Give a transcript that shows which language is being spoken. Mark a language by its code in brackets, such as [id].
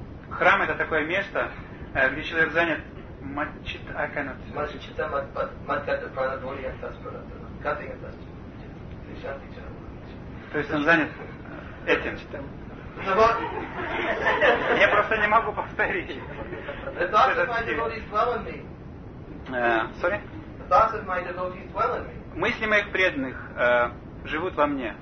[ru] Храм — это такое место, где человек занят этим. Я просто не могу повторить. [en] The thoughts of my devotees dwell in me. Sorry? The thoughts of my devotees dwell in me. [ru] Мысли моих преданных живут во мне.